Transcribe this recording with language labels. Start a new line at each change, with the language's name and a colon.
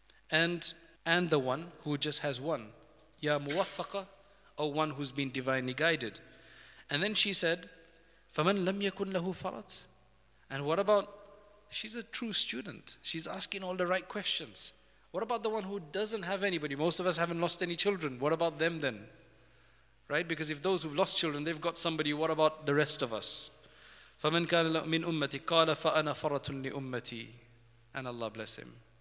English: And the one who just has one. Ya muwaffaqa, or one who's been divinely guided. And then she said,
Arabic: فَمَنْ لَمْ يَكُنْ لَهُ فَرَطْ.
English: And what about, she's a true student. She's asking all the right questions. What about the one who doesn't have anybody? Most of us haven't lost any children. What about them then? Right? Because if those who've lost children, they've got somebody, what about the rest of us?
Arabic: فَمَنْ كَانَ لَهُ مِنْ أُمَّتِي قَالَ فَأَنَا فَرَطٌ لِأُمَّتِي.
English: And Allah bless him.